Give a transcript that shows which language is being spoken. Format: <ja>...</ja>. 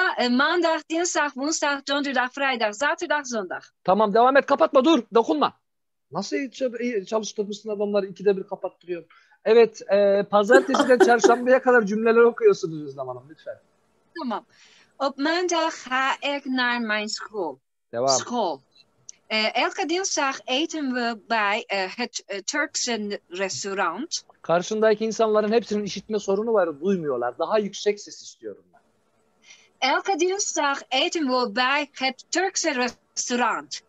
<nl>Maandag, dinsdag, woensdag, donderdag, vrijdag, zaterdag, zondag.</nl> <tr>Tamam, devam et. Kapatma, dur. Dokunma. Nasıl çalıştırmışsın adamları? İkide bir kapattırıyor. Evet, pazartesiden çarşambaya kadar cümleler okuyorsunuz Özlem Hanım. Lütfen. Tamam.</tr> <nl>Op maandag ga ik naar mijn school.</nl> <tr>Devam.</tr> <nl>School. Elke dinsdag eten we bij het Turkse restaurant.</nl> <tr>Karşındaki insanların hepsinin işitme sorunu var, duymuyorlar. Daha yüksek ses istiyorum ben.</tr> <nl>Elke dinsdag eten we bij het Turkse restaurant.</nl>